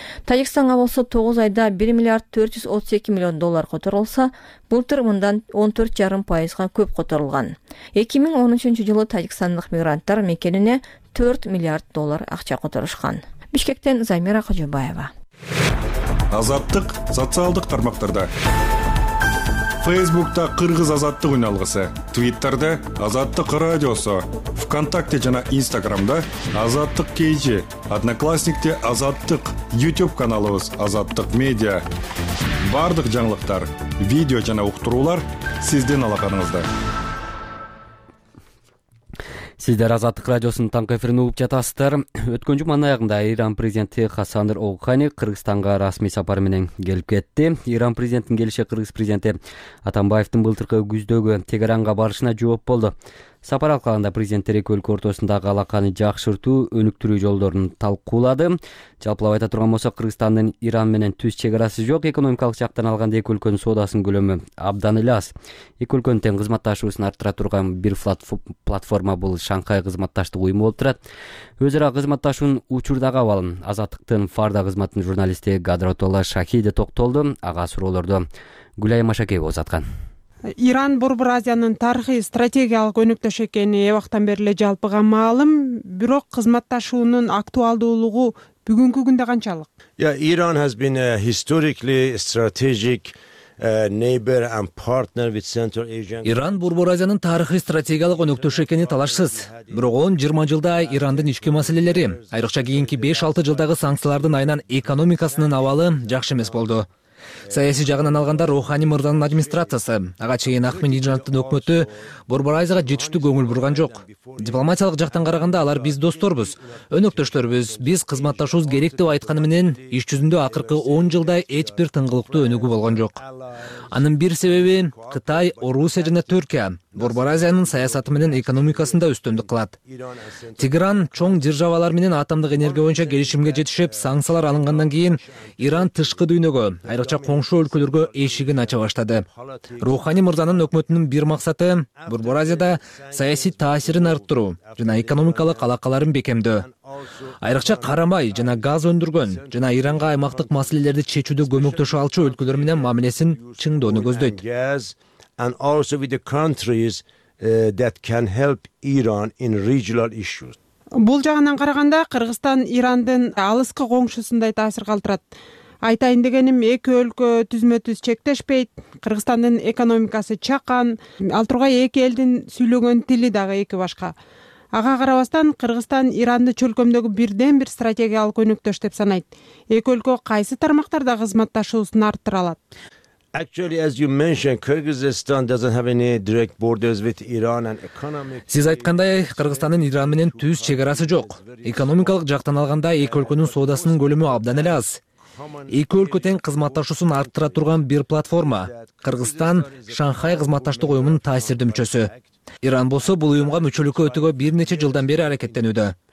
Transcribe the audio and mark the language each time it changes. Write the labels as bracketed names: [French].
[Kyrgyz] Тажикстанга болсо 9 айда 1 миллиард 432 миллион доллар которулса, былтыр мындан 14.5% көп которулган. 2013 жылы тажикстандык мигранттар мекенине 4 миллиард доллар акча которушкан. Бишкектен Замира Кожобаева. Азаттык социалдык тармактарда. Facebook'ta Kırgız Azattık Ünalgısı, Twitter'da Azattık Radyosu, ВКонтакте жана Instagram'da Azattık KG, Одноклассник'te Azattık, YouTube каналыбыз Azattık Media. Бардык жаңылыктар, видео жана уктуруулар сиздин алаканыңызда. Сиздер Азаттык радиосунун таңкы эфирин угуп жатасыздар. Өткөн жумана аягында Иран президенти Хасан Рухани Кыргызстанга расмий сапар менен келип кетти. Иран президентинин келиши Кыргыз президенти Атамбаевдин былтыркы күздөгү Тегеранга барышына жооп болду. Сапар алкагында президенттер эки өлкө ортосундагы алаканы жакшыртуу, өнүктүрүү жолдорун талкуулады. Жалпылап айта турган болсок, Кыргызстандын Иран менен түз чек арасы жок. Экономикалык жактан алганда эки өлкөнүн соодасынын көлөмү абдан эле аз. Эки өлкөнүн тең кызматташуусун арттыра турган бир платформа бул Шанхай кызматташтык уюму болуп турат. Өз ара кызматташуунун учурдагы абалын Азаттыктын Фарда кызматынын журналисти Кадыратулла Шахиди токтолду. Ага суроолорду Гүлайым Ашакеева узаткан. Иран Борбор Азиянын тарыхый стратегиялык өнөктөш экени эбактан бери эле жалпыга маалым, бирок кызматташуунун актуалдуулугу бүгүнкү күндө канчалык? [English] Иран has been a historically strategic neighbor and partner with Central Asia. [Kyrgyz] Иран Борбор Азиянын тарыхый стратегиялык өнөктөш экени талашсыз, бирок 10-20 жылда Ирандын ички маселелери, айрыкча кийинки 5-6 жылдагы санкциялардын айынан экономикасынын абалы жакшы эмес болду. Саяси жагынан алганда Рухани мырзанын администрациясы, ага чейин Ахмадинежаддын өкмөтү Борборазияга жетиштүү көңүл бурган жок. Дипломатиялык жактан караганда алар биз досторбуз, өнөктөштөрбүз, биз кызматташыбыз керек деп айтканы менен иш жүзүндө акыркы 10 жылда эч бир тыңгылыктуу өнүгүү болгон жок. Анын бир себеби Кытай, Орусия жана Түркия Борборазиянын саясаты менен экономикасында үстөмдүк кылат. Тигран чоң державалар менен атомдук энергия боюнча келишимге жетишип, санкциялар алынгандан кийин Иран тышкы дүйнөгө, айрыкча коңшу өлкөлөргө эшигин ача баштады. Рухани мырзанын өкмөтүнүн бир максаты Борборазияда саясий таасирин арттыруу жана экономикалык алакаларын бекемдөө. Айрыкча карамай жана газ өндүргөн жана Иранга аймактык маселелерди чечүүдө көмөктөшө алчу өлкөлөр менен мамилесин чыңдоону көздөйт. [English] And also with the countries that can help Iran in regional issues. [Kyrgyz] Бул жагынан караганда Кыргызстан Ирандын алыскы коңшусундай таасир калтырат. Айтайын дегеним, эки өлкө түзмөтүз чектешпейт. Кыргызстандын экономикасы чакан, ал тургай эки элдин сүйлөгөн тили дагы эки башка. Ага карабастан Кыргызстан Иранды чөлкөмдөгү бирден бир стратегиялык өнөктөш деп санайт. Эки өлкө кайсы тармактарда кызматташуусун арттыра алат? [English] Actually, as you mentioned, Kyrgyzstan doesn't have any direct borders with Iran and economic. [Kyrgyz] Сиз айткандай, Кыргызстандын Иран менен түз чек арасы жок. Экономикалык жактан алганда эки өлкөнүн соодасынын көлөмү абдан эле аз. Эки өлкө тең кызматташуусун арттыра турган бир платформа Кыргызстан Шанхай кызматташтык уюмунун таасирдүү мүчөсү. Иран болсо бул уюмга мүчөлүккө өтүүгө бир нече жылдан бери аракеттенүүдө.